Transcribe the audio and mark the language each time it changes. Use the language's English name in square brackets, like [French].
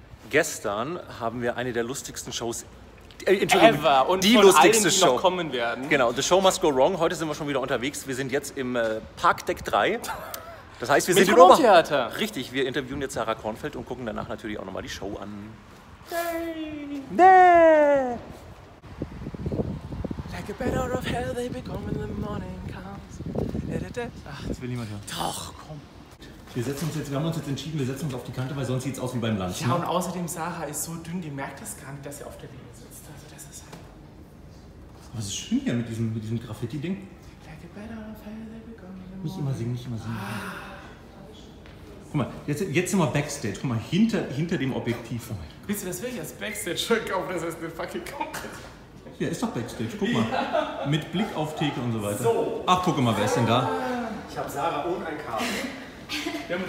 [German] Gestern haben wir eine der lustigsten Shows [English] ever. [German] Und die lustigste Show, die noch kommen werden. Genau, The Show Must Go Wrong. Heute sind wir schon wieder unterwegs. Wir sind jetzt im Parkdeck 3. Das heißt, wir sind im Theater. Richtig, wir interviewen jetzt Sarah Kornfeld und gucken danach natürlich auch nochmal die Show an. Hey. Nee. [English] Like a bed out of hell they become when the morning comes. [German] Ach, das will niemand hören. Doch, komm. Wir setzen uns auf die Kante, weil sonst sieht es aus wie beim Lunch. Ja, ne? Und außerdem, Sarah ist so dünn, die merkt das gar nicht, dass sie auf der Linie sitzt. Also das ist halt... Aber es ist schön hier mit diesem Graffiti-Ding. [English] Like a bed out of hell they become when the morning comes. [German] Nicht immer singen. Ah. Guck mal, jetzt sind wir Backstage. Guck mal, hinter dem Objektiv. Willst du das wirklich als Backstage verkaufen, dass das eine fucking Kompetenz? Ja, ist doch Backstage, guck mal. Ja. Mit Blick auf Theke und so weiter. So. Ach, guck mal, wer ist denn da? Ich habe Sarah und ein Kabel.